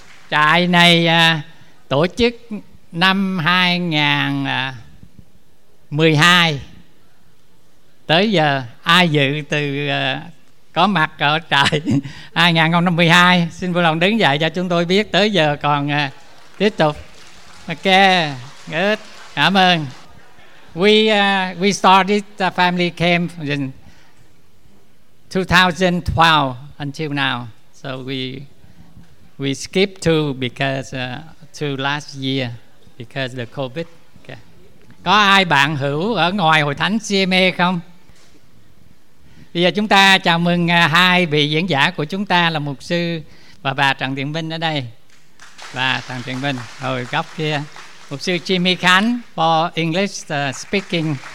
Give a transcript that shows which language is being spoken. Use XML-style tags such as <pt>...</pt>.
<vi>Trại này tổ chức năm 2012 tới giờ. Ai dự từ có mặt ở trại 2012, xin vui lòng đứng dậy cho chúng tôi biết tới giờ còn tiếp tục.</vi> <en>Ok, good.</en> <vi>Cảm ơn.</vi> <en>We started the family camp in 2012 until now, so we skip to last year because the COVID. Okay.</en> <vi>Có ai bạn hữu ở ngoài hội thánh CME không? Bây giờ chúng ta chào mừng hai vị diễn giả của chúng ta là mục sư và bà Trần Thiện Minh ở đây. Và Trần Thiện Minh hồi góc kia, mục sư Jimmy Khánh</vi> <en>for English speaking.</en>